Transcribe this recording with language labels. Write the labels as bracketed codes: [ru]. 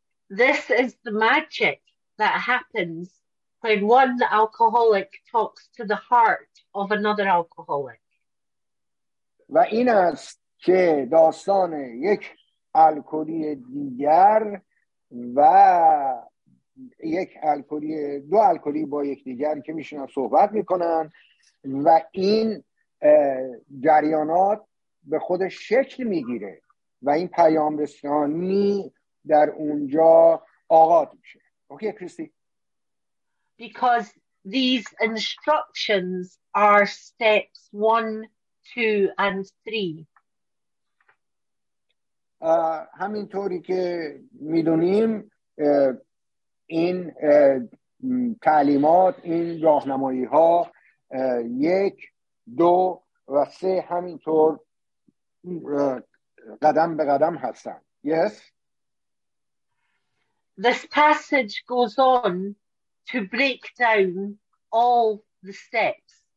[en] This is the magic that happens when one alcoholic talks to the heart of another alcoholic. [fa] و این است که داستان یک الکلی دیگر و یک الکلی دو الکلی با یک دیگر که میشنن صحبت میکنن و این جریانات به خودش شکل میگیره و این پیام رسانی در اونجا آغاز میشه. [en] Okay Christy. Because these instructions are steps 1, 2, and 3. [fa] همینطوری که میدونیم این تعلیمات، این راهنمایی ها 1, 2, and 3 همینطور قدم به قدم هستن. [en] Yes. This passage goes on to break down all the steps.